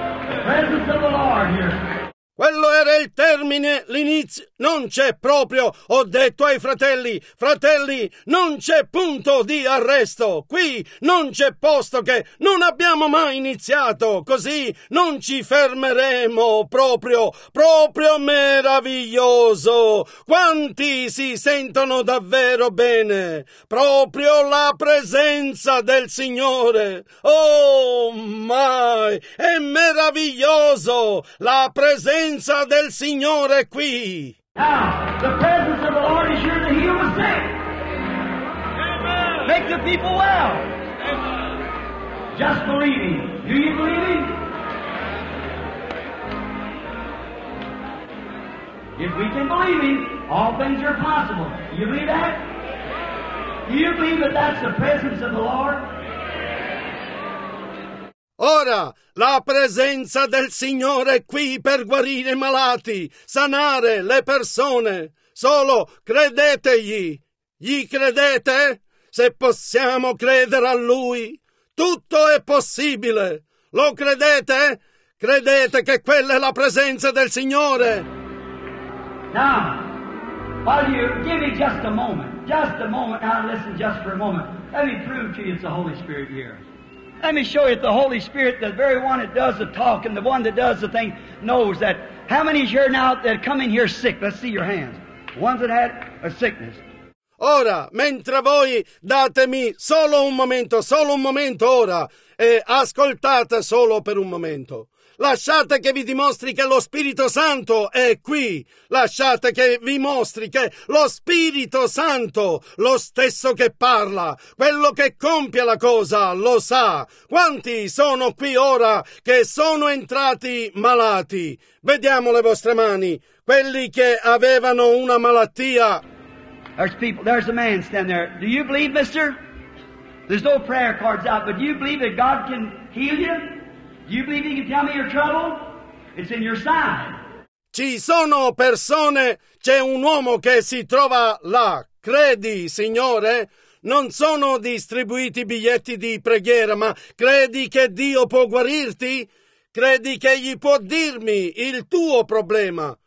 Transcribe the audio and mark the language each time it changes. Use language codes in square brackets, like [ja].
[en] The presence of the Lord here. [it] Quello era il termine, l'inizio, non c'è proprio, ho detto ai fratelli, fratelli, non c'è punto di arresto, qui non c'è posto che non abbiamo mai iniziato, così non ci fermeremo, proprio, proprio meraviglioso, quanti si sentono davvero bene, proprio la presenza del Signore, oh mai, è meraviglioso, la presenza del Signore qui. [en] Now, the presence of the Lord is here to heal the sick. Amen. Make the people well. Amen. Just believe him. Do you believe him? If we can believe him, all things are possible. Do you believe that? Do you believe that that's the presence of the Lord? [it] Ora, la presenza del Signore è qui per guarire i malati, sanare le persone. Solo credetegli. Gli credete? Se possiamo credere a Lui, tutto è possibile. Lo credete? Credete che quella è la presenza del Signore? [en] Now, while you give me just a moment. Now listen just for a moment. Let me prove to you it's the Holy Spirit here. Let me show you that the Holy Spirit, the very one that does the talk and the one that does the thing, knows that. How many is here now that come in here sick? Let's see your hands. Ones that had a sickness. [it] Ora, mentre voi datemi solo un momento ora, e ascoltate solo per un momento. Lasciate che vi dimostri che lo Spirito Santo è qui. Lasciate che vi mostri che lo Spirito Santo, lo stesso che parla, quello che compie la cosa, lo sa. Quanti sono qui ora che sono entrati malati? Vediamo le vostre mani. Quelli che avevano una malattia. [en] There's people, there's a man standing there. Do you believe, mister? There's no prayer cards out, but do you believe that God can heal you? Do you believe he can tell me your trouble? It's in your side. [it] Ci sono persone, c'è un uomo che si trova là. Credi, Signore? Non sono distribuiti biglietti di preghiera, ma credi che Dio può guarirti? Credi che egli può dirmi il tuo problema?